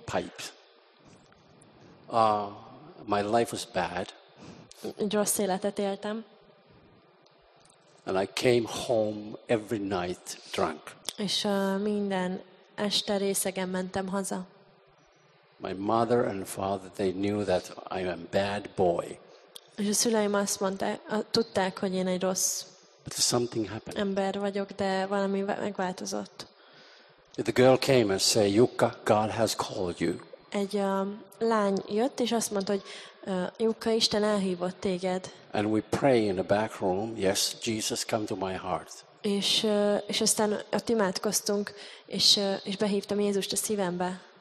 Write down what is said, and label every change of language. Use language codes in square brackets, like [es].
[en] Pipe. My life was bad. [hu] Egy rossz életet éltem. [en] And I came home every night drunk. [hu] És minden este részegen mentem haza. [en] My mother and father, they knew that I am a bad boy. [hu] És a szüleim azt mondták, tudták, hogy én egy rossz [en] But something happened. [hu] Ember vagyok, de valami megváltozott. [en] The girl came and said, "Jukka, God has called you." [hu] Egy lány jött és azt mondta, hogy Jukka, Isten elhívott téged. [en] And we pray in the back room. Yes, Jesus, come to my heart. [hu] És aztán ott imádkoztunk és behívtam Jézust a szívembe.